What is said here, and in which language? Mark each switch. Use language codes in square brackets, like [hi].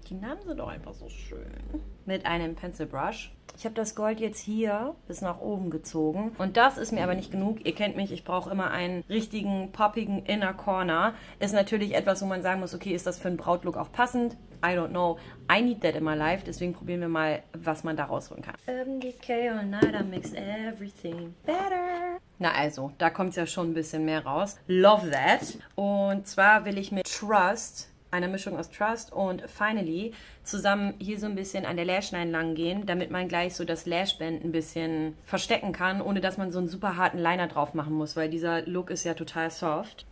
[de] Die Namen sind doch einfach so schön. Mit einem Pencil Brush. Ich habe das Gold jetzt hier bis nach oben gezogen und das ist mir aber nicht genug. Ihr kennt mich, ich brauche immer einen richtigen poppigen Inner Corner. Ist natürlich etwas, wo man sagen muss, okay, ist das für einen Brautlook auch passend? [en] I don't know. I need that in my life. [de] Deswegen probieren wir mal, was man da rausholen kann. [en] 70k all night, I mix everything better. [de] Na also, da kommt es ja schon ein bisschen mehr raus. [en] Love that. [de] Und zwar will ich mit Trust, einer Mischung aus Trust und Finally, zusammen hier so ein bisschen an der Lashline lang gehen, damit man gleich so das Lashband ein bisschen verstecken kann, ohne dass man so einen super harten Liner drauf machen muss, weil dieser Look ist ja total soft.